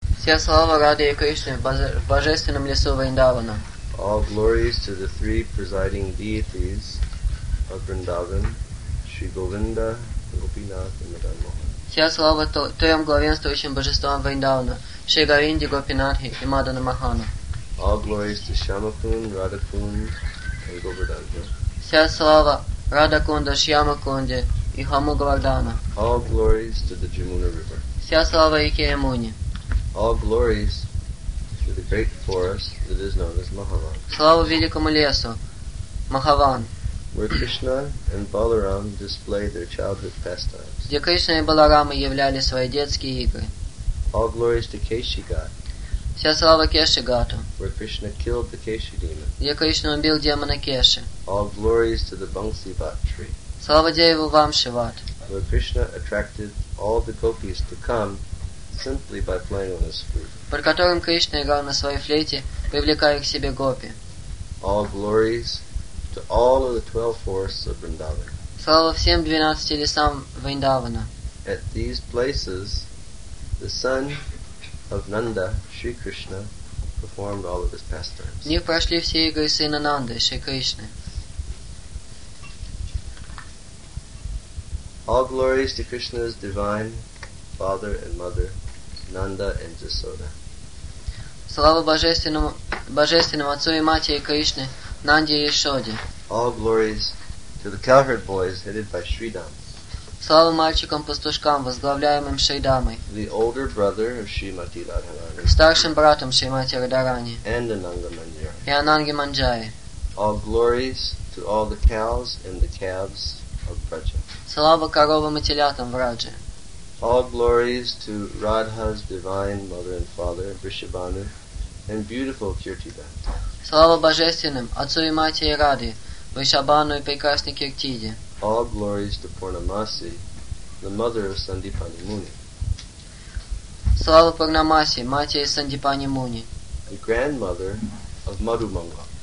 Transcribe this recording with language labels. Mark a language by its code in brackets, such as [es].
[ru] Вся слава Раде и Кришне, в божественном лесу Вриндавана. [en] All glories to the three presiding deities of Vrindavan, Shri Govinda, Gopinath and Madan Mohan. [ru] Вся слава трём главенствующим божествам Вриндавана, Шри Говинде, Гопинатхе и Мадана Махана. [en] All glories to Shyamakund, Radhakund and Govardhana. [ru] Вся слава Радакунда, Шьямакунде и Хамугавардана. [en] All glories to the Jamuna River. [ru] Вся слава реке Ямуне. [en] All glories to the great forest that is known as Mahavan. [ru] Слава великому лесу, Махаван. [en] Where Krishna and Balaram display their childhood pastimes. [ru] Где Кришна и Баларама являли свои детские игры. [en] All glories to Keshigat. [ru] Вся слава Кешигату. [en] Where Krishna killed the Keshi demon. [ru] Где Кришна убил демона Кеши. [en] All glories to the Bhangsivat tree. [ru] Слава дереву Вамшиват. [en] Where Krishna attracted all the gopis to come simply by playing on his flute. [ru] Под которым Кришна играл на своей флейте, привлекая к себе гопи. [en] All glories to all of the 12 forests of Vrindavan. [ru] Слава всем 12 лесам Вриндавана. [en] At these places, the son of Nanda, Shri Krishna, performed all of his pastimes. [ru] В них прошли все игры сына Нанды, Шри Кришны. [en] All glories to Krishna's divine father and mother, Nanda and Jasoda. [ru] Слава божественному отцу и матери Кришны, Нанде и Ешоде. [en] All glories to the cowherd boys headed by Shridam. [ru] Слава мальчикам-пастушкам, возглавляемым Шридамой. [en] The older brother of Shrimati Radharani. [ru] Старшим братом Шримати Радхарани. [en] And Ананга Манджари. [ru] И Ананге Манджари. [en] All glories to all the cows and the calves of Braja. [ru] Слава коровам и телятам в Радже. [en] All glories to Radha's divine mother and father, Vrishabhanu, and beautiful Kirtida. [ru] Слава божественным отцу и матери Рады, Вришабану и прекрасной Киртиде. [en] All glories to Purnamasi, the mother of Sandipani Muni. [ru] Слава Пурнамаси, матери Сандипани Муни. [en] The grandmother of Madhu Mangala.